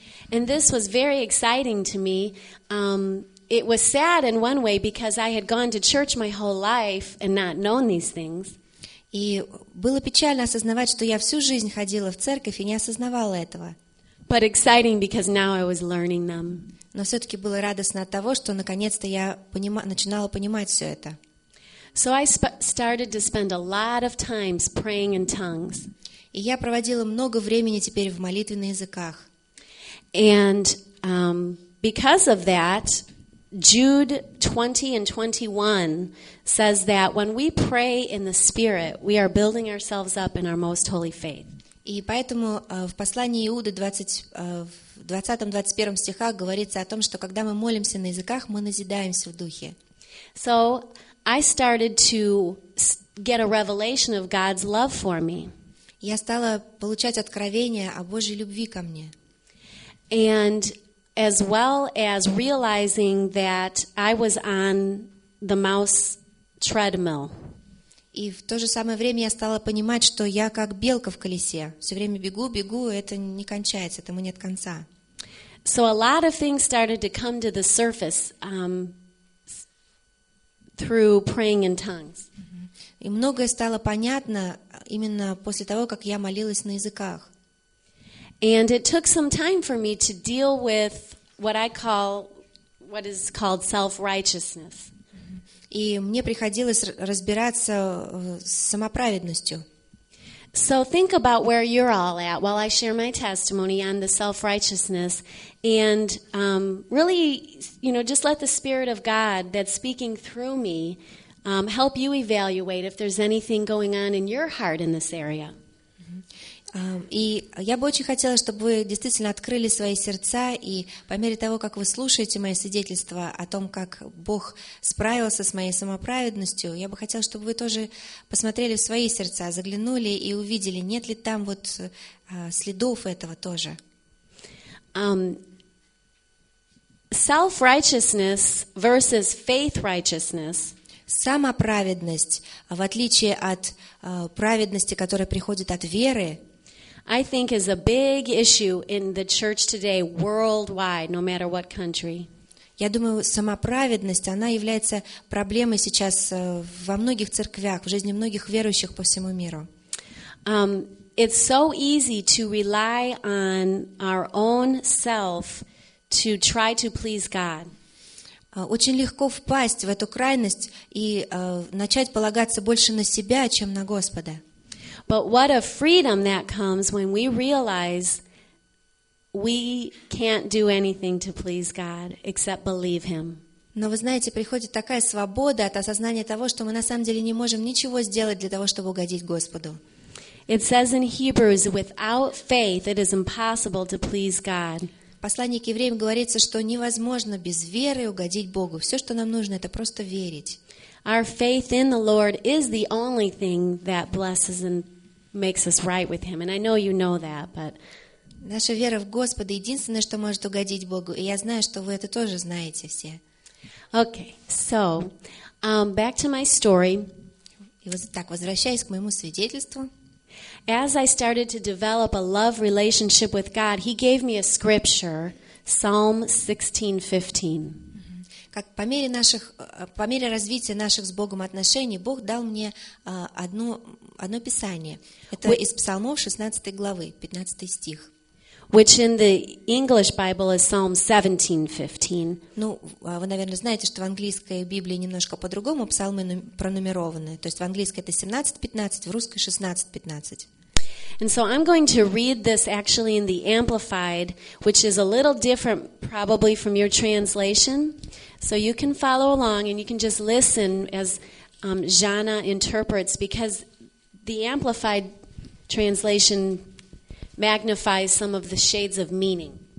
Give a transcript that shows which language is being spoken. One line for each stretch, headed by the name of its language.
English: And this was very exciting to me. It was sad in one way because I had gone to church my whole life and not known these things.
Russian: И было печально осознавать, что я всю жизнь ходила в церковь и не осознавала этого.
English: But exciting because now I was learning them.
Russian: Но все-таки было радостно от того, что наконец-то я начинала понимать все это.
English: So I started to spend a lot of time praying in tongues.
Russian: И я проводила много времени теперь в молитве на языках.
English: And because of that, Jude 20 and 21 says that when we pray in the Spirit, we are building ourselves up in our most holy faith.
Russian: И поэтому в послании Иуды 20-21 стихах говорится о том, что когда мы молимся на языках, мы назидаемся в духе.
English: So I started to get a revelation of God's love for me.
Russian: Я стала получать откровение о Божьей любви ко мне.
English: And as well as realizing that I was on the mouse treadmill.
Russian: И в то же самое время я стала понимать, что я как белка в колесе. Все время бегу, бегу, это не кончается, этому нет конца.
English: So a lot of things started to come to the surface through praying in tongues.
Russian: И многое стало понятно именно после того, как я молилась на языках.
English: And it took some time for me to deal with what I call, what is called self-righteousness.
Russian: И мне приходилось разбираться с самоправедностью.
English: So think about where you're all at while I share my testimony on the self-righteousness, and really, you know, just let the Spirit of God that's speaking through me help you evaluate if there's anything going on in your heart in this area.
Russian: И я бы очень хотела, чтобы вы действительно открыли свои сердца, и по мере того, как вы слушаете мое свидетельство о том, как Бог справился с моей самоправедностью, я бы хотела, чтобы вы тоже посмотрели в свои сердца, заглянули и увидели, нет ли там вот следов этого тоже.
English: Self-righteousness versus faith righteousness.
Russian: Самоправедность, в отличие от праведности, которая приходит от веры,
English: I think is a big issue in the church today worldwide, no matter what country.
Russian: Я думаю, самоправедность, она является проблемой сейчас во многих церквях, в жизни многих верующих по всему миру.
English: It's so easy to rely on our own self to try to please God.
Russian: Очень легко впасть в эту крайность и начать полагаться больше на себя, чем на Господа.
English: But what a freedom that comes when we realize we can't do anything to please God except believe Him.
Russian: Но вы знаете, приходит такая свобода от осознания того, что мы на самом деле не можем ничего сделать для того, чтобы угодить Господу.
English: It says in Hebrews, without faith, it is impossible to please God.
Russian: В послании к евреям говорится, что невозможно без веры угодить Богу. Все, что нам нужно, это просто верить.
English: Our faith in the Lord is the only thing that blesses and makes us right with Him, and I know you know that. But
Russian: наша вера в Господа единственное, что может угодить Богу, и я знаю, что вы это тоже знаете все.
English: Okay, so back to my story.
Russian: И вот так возвращаясь к моему свидетельству.
English: As I started to develop a love relationship with God, He gave me a scripture, Psalm 16:15.
Russian: Как по мере развития наших с Богом отношений, Бог дал мне одно писание. Это из Псалмов 16 главы, 15 стих.
English: Which in the English Bible is Psalm 17:15.
Russian: Ну, вы, наверное, знаете, что в английской Библии немножко по-другому псалмы пронумерованы. То есть в английской это 17:15, в русской 16:15.
English: And so I'm going to read this actually in the Amplified, which is a little different probably from your translation. So you can follow along and you can just listen as Jana interprets, because the Amplified translation magnifies some of the shades of meaning.